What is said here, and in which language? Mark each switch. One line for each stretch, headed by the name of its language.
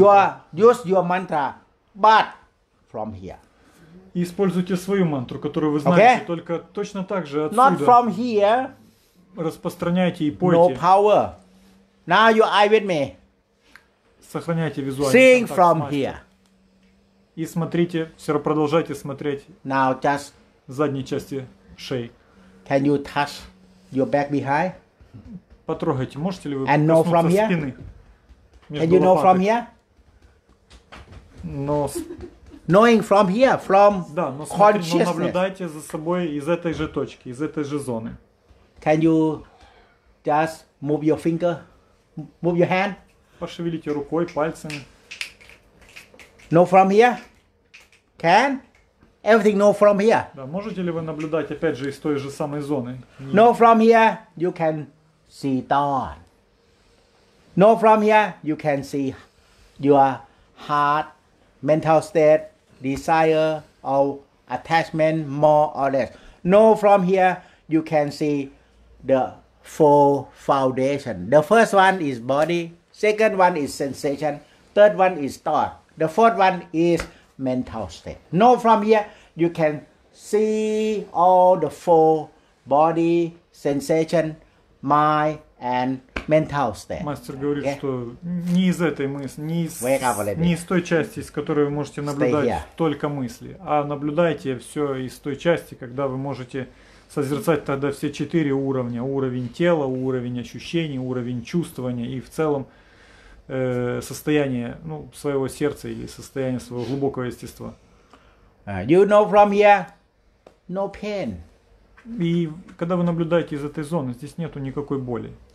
English: You are, use your mantra, but from here.
Russian: Используйте свою мантру, которую вы знаете,
English: okay?
Russian: Только точно так же отсюда.
English: Not from here.
Russian: Распространяйте и пойте.
English: No power. Now you are with me.
Russian: Сохраняйте визуальный контакт.
English: Sing from here.
Russian: И смотрите, все равно продолжайте смотреть
English: now, just
Russian: задней части шеи.
English: Can you touch your back behind?
Russian: Потрогайте, можете ли вы
English: and
Russian: коснуться
English: from
Russian: спины?
English: Here? Can
Russian: лопаток?
English: You know from here?
Russian: Но...
English: Knowing from here, from
Russian: да, но смотрите, consciousness. Но наблюдайте за собой из этой же точки, из этой же зоны.
English: Can you just move your finger, move your hand?
Russian: Пошевелите рукой, пальцами.
English: No from here? Can? Everything no from here?
Russian: Да, можете ли вы наблюдать опять же из той же самой зоны?
English: No from here, you can see dawn. No from here, you can see your heart, mental state, desire or attachment more or less. No from here, you can see the four foundation. The first one is body, second one is sensation, third one is thought. The fourth one is mental state. No, from here you can see all the four body, sensation, mind and mental state.
Russian: Мастер говорит, okay? Что не из этой мысли, не из той части, из которой вы можете наблюдать только мысли, а наблюдайте все из той части, когда вы можете созерцать тогда все четыре уровня. Уровень тела, уровень ощущений, уровень чувствования и в целом состояние своего сердца или состояние своего глубокого естества.
English: You know from here, no pain.
Russian: И когда вы наблюдаете из этой зоны, здесь нету никакой боли.